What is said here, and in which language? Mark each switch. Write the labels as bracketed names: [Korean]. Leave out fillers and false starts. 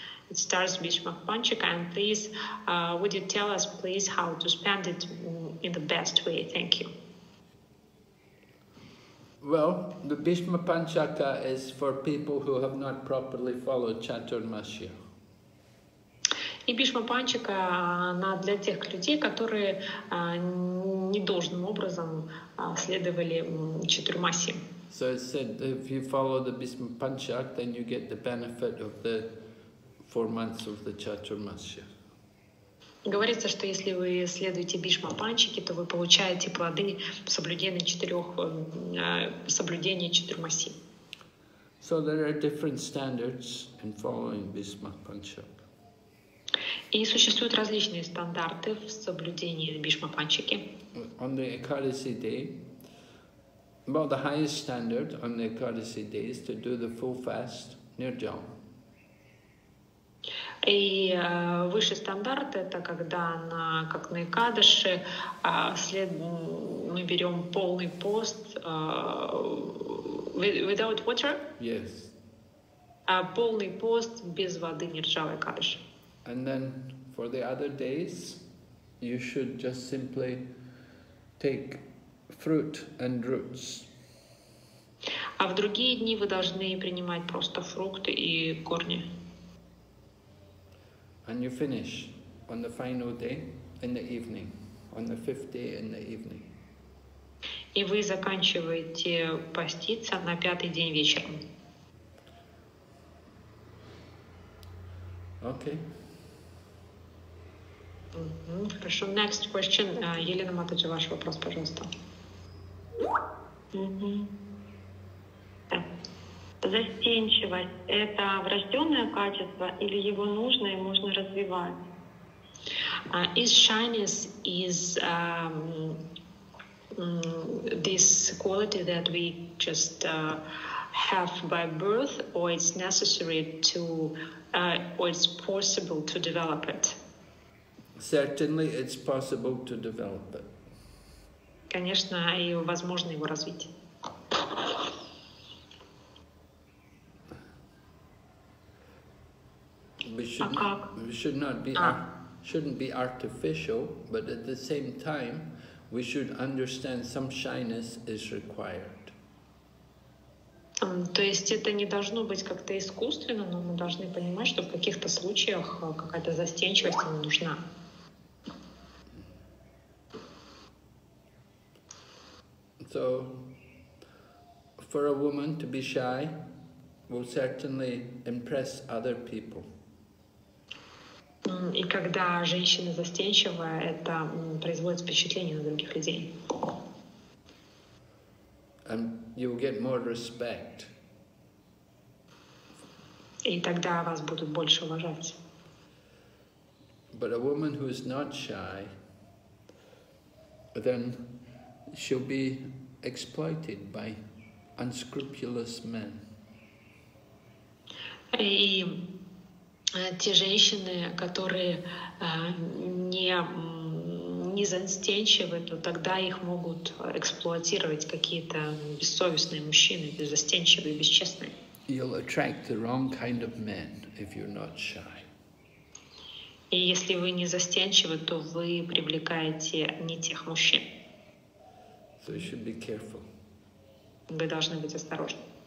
[English] It starts Bhishma Panchika, and please, would you tell us, please, how to spend it in the best way? Thank you. Well, the Bhishma Panchika is for people who have not properly followed Chaturmasya. [Russian] И Бишма Панчика она для тех людей, которые недолжным образом следовали Чатурмасе. [English] So it said if you follow the Bhishma Panchak, then you get the benefit of the 4 months of the Chaturmasya. [Russian] Говорится, что если вы следуете Бишма Панчике, то вы получаете плоды соблюдения Чатурмаси. [English] So there are different standards in following Bhishma Panchak. [Russian] И существуют различные стандарты в соблюдении Бишма Панчики. [English] On the Ekadasi day, well, the highest standard on the Ekadasi day is to do the full fast near Jam. [Russian] И высший стандарт это когда на как на Экадаши мы берем полный пост [English] without water. Yes. [Russian] Полный пост без воды Нирджава Экадаши. [English] And then for the other days, you should just simply take fruit and roots. [Russian] А в другие дни вы должны принимать просто фрукты и корни. [English] And you finish on the final day in the evening, on the fifth day in the evening. [Russian] И вы заканчиваете поститься на пятый день вечером. [English] Okay. [Russian] Хорошо. [English] Next question. [Russian] Елена Матаджи, ваш вопрос, пожалуйста. Застенчивость – это врожденное качество или его нужно и можно развивать? [English] Is shyness is this quality that we just have by birth, or it's necessary to, or it's possible to develop it? Certainly, it's possible to develop it. [Russian] Конечно, и возможно его развить. [English] We shouldn't be artificial, but at the same time, we should understand some shyness is required. [Russian] То есть это не должно быть как-то искусственно, но мы должны понимать, что в каких-то случаях какая-то застенчивость нужна. [English] So, for a woman to be shy will certainly impress other people. [Russian] И когда женщина застенчива, это производит впечатление на других людей. [English] And you will get more respect. [Russian] И тогда вас будут больше уважать. [English] But a woman who is not shy, then she'll be exploited by unscrupulous men. [Russian] И те женщины, которые не застенчивы, то тогда их могут эксплуатировать какие-то бессовестные мужчины, беззастенчивые, бесчестные. [English] You'll attract the wrong kind of men if you're not shy. [Russian] И если вы не застенчивы, то вы привлекаете не тех мужчин. [English] So you should be careful. [Russian] Вы должны быть осторожны.